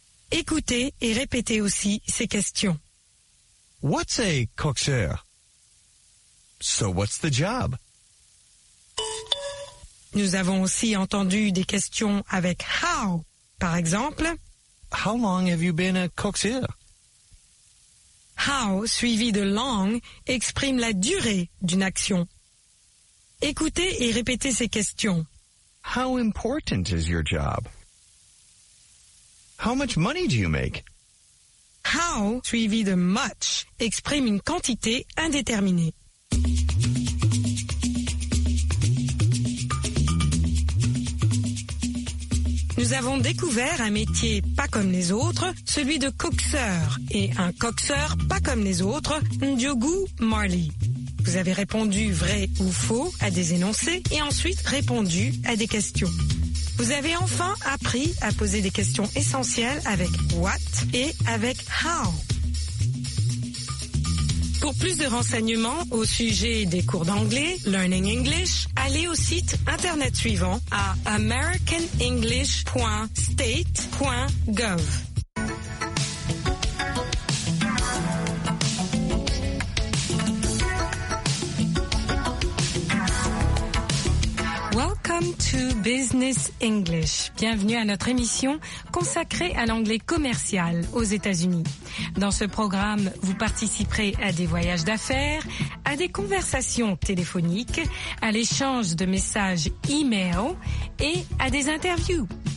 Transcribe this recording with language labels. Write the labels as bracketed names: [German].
[French] Écoutez et répétez aussi ces questions. [English] What's a coxeur? So what's the job? [French] Nous avons aussi entendu des questions avec how, par exemple. [English] How long have you been a coxeur? [French] How, suivi de long, exprime la durée d'une action. Écoutez et répétez ces questions. [English] How important is your job? How much money do you make? [French] How, suivi de much, exprime une quantité indéterminée. Nous avons découvert un métier pas comme les autres, celui de coxeur, et un coxeur pas comme les autres, Ndiogu Marley. Vous avez répondu vrai ou faux à des énoncés et ensuite répondu à des questions. Vous avez enfin appris à poser des questions essentielles avec what et avec how. Pour plus de renseignements au sujet des cours d'anglais, Learning English, allez au site internet suivant à americanenglish.state.gov. [English] Welcome to Business English. [French] Bienvenue à notre émission consacrée à l'anglais commercial aux États-Unis. Dans ce programme, vous participerez à des voyages d'affaires, à des conversations téléphoniques, à l'échange de messages e-mail et à des interviews.